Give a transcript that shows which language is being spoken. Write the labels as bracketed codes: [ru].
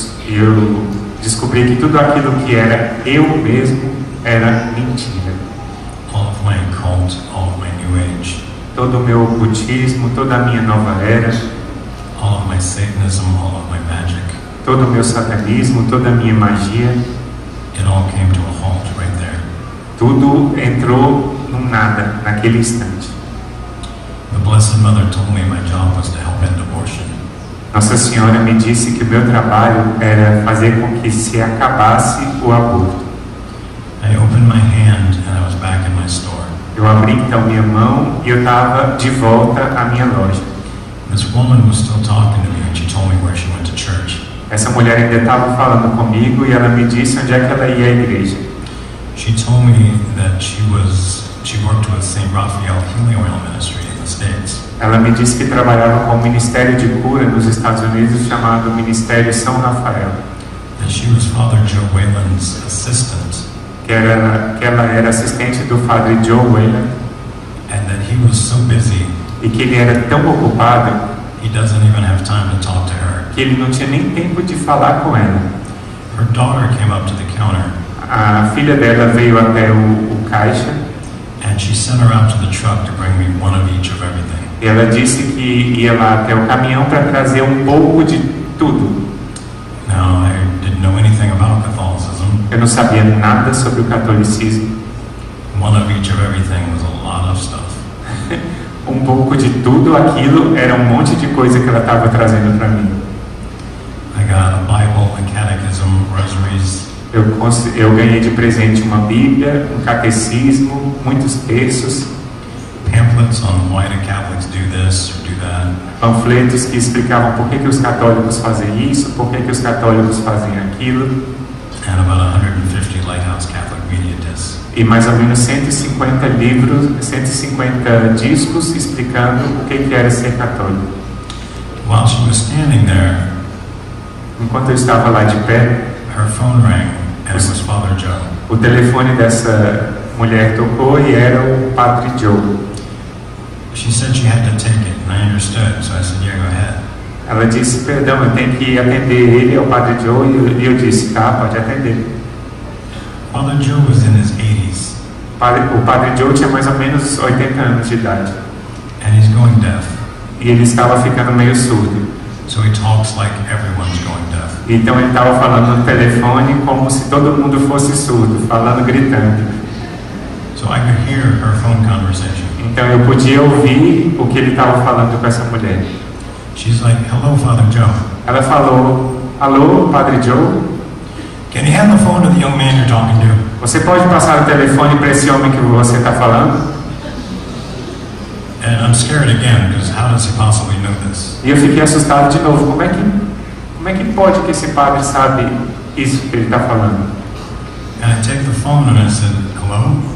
[pt] eu descobri que tudo aquilo que era eu mesmo era mentira. [en] All my cult, all my new age. [pt] Todo o meu ocultismo, toda a minha nova era. [en] All of my Satanism, all of my magic. [pt] Todo o meu satanismo, toda a minha magia. [en] It all came to a halt right there. [pt] Tudo entrou num nada naquele instante. [en] The Blessed Mother told me my job was to help end abortion. [pt] Nossa Senhora me disse que o meu trabalho era fazer com que se acabasse o aborto. [en] I opened my hand and I was back in my store. [pt] Eu abri então minha mão e eu estava de volta à minha loja. [en] This woman was still talking to me and she told me where she went to church. [pt] Essa mulher ainda estava falando comigo e ela me disse onde é que ela ia à igreja. [en] She told me that she worked with St. Raphael Healing Oil Ministry in the States. [pt] Ela me disse que trabalhava com o Ministério de Cura nos Estados Unidos chamado Ministério São Rafael. [en] That she was Father Joe Whalen's assistant. [pt] Que ela era assistente do Padre Joe Whalen. [en] And that he was so busy. [pt] E que ele era tão ocupado. [en] He doesn't even have time to talk to her. [pt] Que ele não tinha nem tempo de falar com ela. [en] Her daughter came up to the counter. [pt] A filha dela veio até o caixa. [en] And she sent her out to the truck to bring me one of each of everything. [pt] E ela disse que ia lá até o caminhão para trazer um pouco de tudo. [en] Now, I didn't know anything about Catholicism. [pt] Eu não sabia nada sobre o catolicismo. [en] One of each of everything was a lot of stuff. [pt] Um pouco de tudo aquilo era um monte de coisa que ela estava trazendo para mim. [en] I got a Bible, a catechism, rosaries. [pt] Eu ganhei de presente uma Bíblia, um catecismo, muitos textos. [en] Pamphlets on why the Catholics do this or do that. [pt] Panfletos que explicavam por que os católicos fazem isso, por que os católicos fazem aquilo. [en] And about 150 Lighthouse Catholic Media Discs. [pt] E mais ou menos 150 livros, 150 discos explicando o que era ser católico. [en] While she was standing there, [pt] enquanto eu estava lá de pé, [en] her phone rang, and it was Father Joe. [pt] O telefone dessa mulher tocou e era o Padre Joe. [en] She said she had to take it, and I understood, so I said, yeah, go ahead. [pt] Ela disse, perdão, eu tenho que atender ele, é o Padre Joe, e eu disse, tá, pode atender. [en] Father Joe was in his 80s. [pt] O Padre Joe tinha mais ou menos 80 anos de idade. [en] And he's going deaf. [pt] E ele estava ficando meio surdo. [en] So he talks like everyone's going deaf. [pt] Então ele estava falando no telefone como se todo mundo fosse surdo, falando, gritando. [en] So I could hear her phone conversation. [pt] Então eu podia ouvir o que ele estava falando com essa mulher. [en] She's like, hello, Father Joe. [pt] Ela falou, alô, Padre Joe. [en] Can you hand the phone to the young man you're talking to? [pt] Você pode passar o telefone para esse homem que você está falando? [en] And I'm scared again because how does he possibly know this? [pt] E eu fiquei assustado de novo. Como é que pode que esse padre sabe isso que ele está falando? [en] And I take the phone and I said, hello.